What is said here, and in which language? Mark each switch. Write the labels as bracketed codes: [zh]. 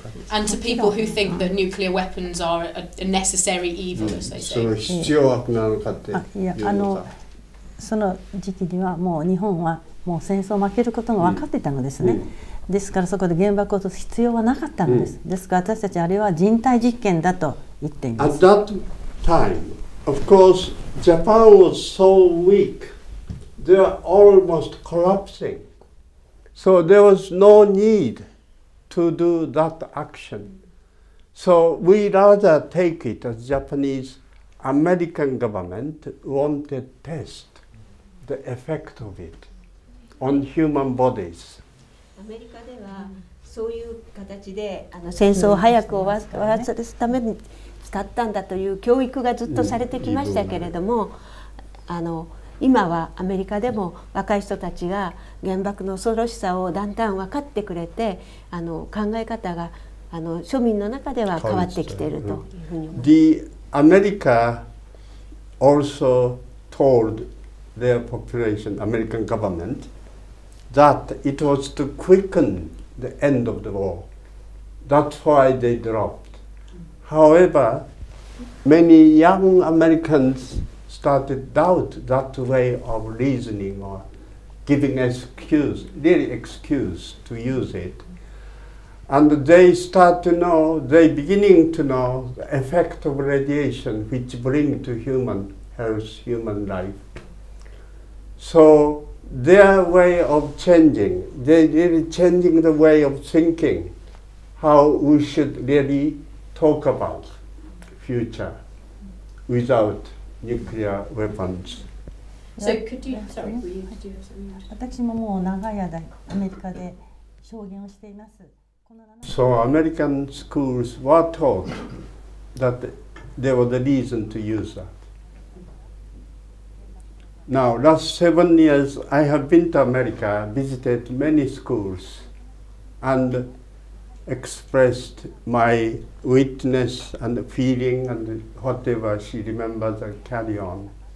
[en] And to people who think that nuclear weapons are a necessary evil, as they say. [ja] その時期にはもう日本はもう戦争を負けることが分かっていたのですね。ですからそこで原爆を落とす必要はなかったのです。ですから私たちあれは人体実験だと言っています。 [en] At that time, of course, Japan was so weak, they were almost collapsing. So there was no need to do that action. So we rather take it as Japanese American government wanted test. The effect of it on human bodies. [ja] アメリカではそういう形で戦争を早く終わらせるために使ったんだという教育がずっとされてきましたけれども、今はアメリカでも若い人たちが原爆の恐ろしさをだんだん分かってくれて、考え方が庶民の中では変わってきているというふうに思います。 [en] The America also toldTheir population, American government, that it was to quicken the end of the war. That's why they dropped. However, many young Americans started doubt that way of reasoning or giving excuse, really excuse to use it. And they start to know, they beginning to know the effect of radiation which bring to human health, human life. So their way of changing, they're really changing the way of thinking, how we should really talk about future without nuclear weapons. So could you, sorry, could you have something? [ja] 私ももう長い間アメリカで証言をしています。 [en] So American schools were taught that there was a reason to use that. Now, last 7 years, I have been to America, visited many schools, and expressed my witness and feeling and whatever she remembers and carry on.